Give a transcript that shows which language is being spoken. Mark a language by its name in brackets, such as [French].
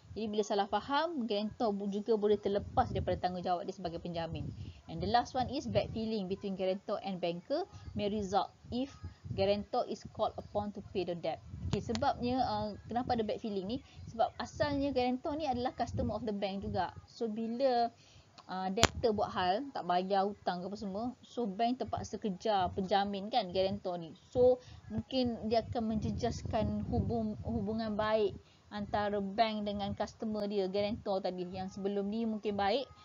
[Malay] Jadi, bila salah faham, guarantor juga boleh terlepas daripada tanggungjawab dia sebagai penjamin. [English] And the last one is bad feeling between guarantor and banker may result if guarantor is called upon to pay the debt. [Malay] Okay, sebabnya, kenapa ada bad feeling ni? Sebab asalnya guarantor ni adalah [English] customer of the bank [Malay] juga. So, bila debtor buat hal, tak bayar hutang ke apa semua, so bank terpaksa kejar penjamin kan, guarantor ni. So, mungkin dia akan menjejaskan hubungan baik antara bank dengan customer dia, guarantor tadi, yang sebelum ni mungkin baik.